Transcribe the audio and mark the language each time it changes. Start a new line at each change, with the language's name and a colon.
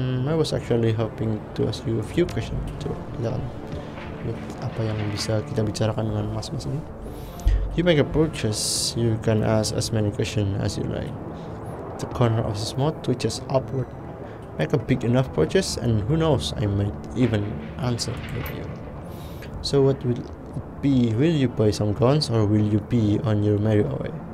English: I was actually hoping to ask you a few questions.
Indonesian: Coba, kita lihat apa yang bisa kita bicarakan dengan mas-mas ini.
English: You make a purchase, you can ask as many questions as you like. The corner of his mouth twitches upward. Make a big enough purchase and who knows, I might even answer with you. So what will it be? Will you buy some guns or will you be on your merry way?